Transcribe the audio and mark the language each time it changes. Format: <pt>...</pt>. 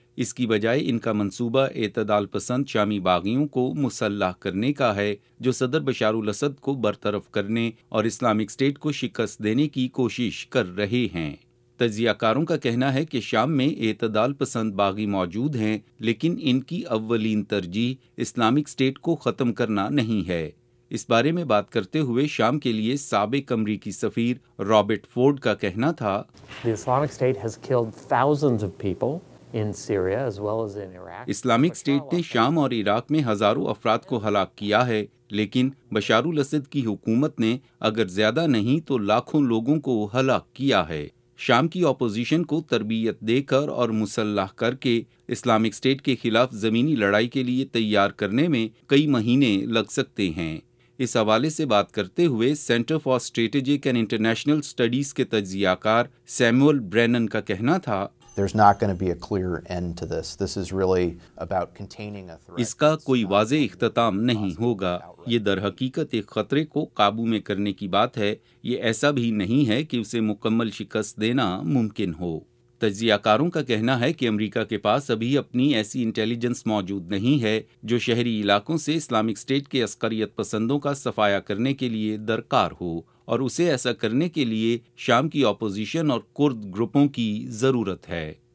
<ur>اس کی بجائے ان کا منصوبہ اعتدال پسند شامی باغیوں کو مسلح کرنے کا ہے، جو صدر بشار الاسد کو برطرف کرنے اور اسلامک اسٹیٹ کو شکست دینے کی کوشش کر رہے ہیں۔ تجزیہ کاروں کا کہنا ہے کہ شام میں اعتدال پسند باغی موجود ہیں، لیکن ان کی اولین ترجیح اسلامک اسٹیٹ کو ختم کرنا نہیں ہے۔ اس بارے میں بات کرتے ہوئے شام کے لیے سابق امریکی سفیر رابرٹ فورڈ کا کہنا تھا،</ur> <en>The Islamic State has killed thousands of people.</en> <ur>Islamic state نے شام اور عراق میں ہزاروں افراد کو ہلاک کیا ہے، لیکن بشار الاسد کی حکومت نے اگر زیادہ نہیں تو لاکھوں لوگوں کو ہلاک کیا ہے۔ شام کی اپوزیشن کو تربیت دے کر اور مسلح کر کے اسلامک اسٹیٹ کے خلاف زمینی لڑائی کے لیے تیار کرنے میں کئی مہینے لگ سکتے ہیں۔ اس حوالے سے بات کرتے ہوئے centre for strategic and international studies کے تجزیہ کار سیموئل برینن کا کہنا تھا،</ur> <en>There's not going to be a clear end to this. This is really about containing a threat.</en> <ur>اس کا کوئی واضح اختتام نہیں ہوگا۔ یہ در حقیقت ایک خطرے کو قابو میں کرنے کی بات ہے، یہ ایسا بھی نہیں ہے کہ اسے مکمل شکست دینا ممکن ہو۔ تجزیہ کاروں کا کہنا ہے کہ امریکہ کے پاس ابھی اپنی ایسی انٹیلیجنس موجود نہیں ہے جو شہری علاقوں سے اسلامک اسٹیٹ کے عسکریت پسندوں کا صفایا کرنے کے لیے درکار ہو، اور اسے ایسا کرنے کے لیے شام کی اپوزیشن اور کرد گروپوں کی ضرورت ہے۔</ur>